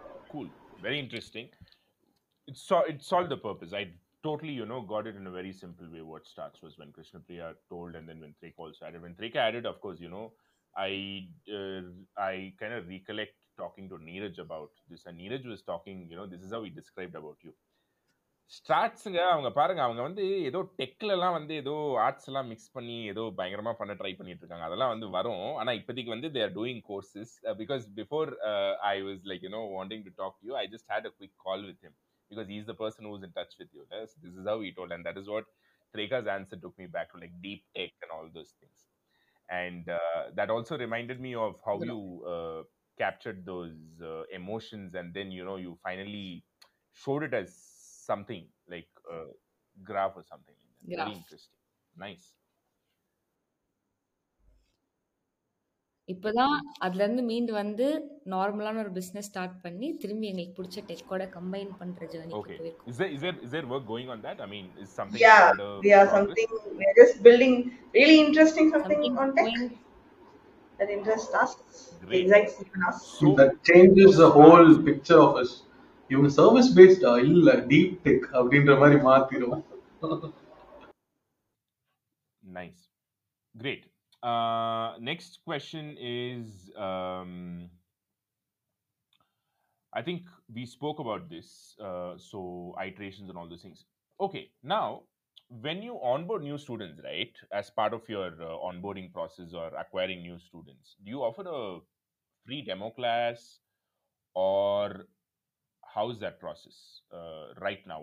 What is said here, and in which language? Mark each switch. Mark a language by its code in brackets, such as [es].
[en] Cool. Very interesting. It solved the purpose. Totally, you know, got it in a very simple way. What starts was when Krishnapriya told, and then when Threka also added. When Threka added, of course, you know, I kind of recollect talking to Neeraj about this. And Neeraj was talking, you know, this is how he described about you. [ta] Starts, அவங்க பாருங்க, அவங்க வந்து ஏதோ டெக்ல எல்லாம் வந்து ஏதோ arts எல்லாம் mix பண்ணி ஏதோ பயங்கரமா பண்ண ட்ரை பண்ணிட்டு இருக்காங்க, அதெல்லாம் வந்து வரும். ஆனா இப்போதைக்கு வந்து [en] They are doing courses because before I was like you know wanting to talk you, I just had a quick call with him. Because he's the person who's in touch with you. Right? So this is how he told. And that is what Treka's answer took me back to, like deep tech and all those things. And that also reminded me of how you captured those emotions. And then, you know, you finally showed it as something like a graph or something. Like that. Graph. Very interesting. Nice. [ta] இப்போதான் அதுலேருந்து மீண்டு வந்து நார்மலான ஒரு business start பண்ணி திரும்பி எங்களுக்கு பிடிச்ச டெக்கோட கம்பைன் பண்ற ஜர்னிக்கு போயிருக்கோம். [en] Is there, work going on that? I mean, is something... Yeah, yeah, something... We are just building really interesting something on tech going... that interests us. Great. Exactly. So, that changes the whole picture of us. Even service-based, deep tech, [ta] அப்படின்ற மாதிரி மாத்திரும். [en] Nice. Great. Next question is, I think we spoke about this, so iterations and all those things. Okay, now, when you onboard new students, right, as part of your onboarding process or acquiring new students, do you offer a free demo class, or how is that process right now?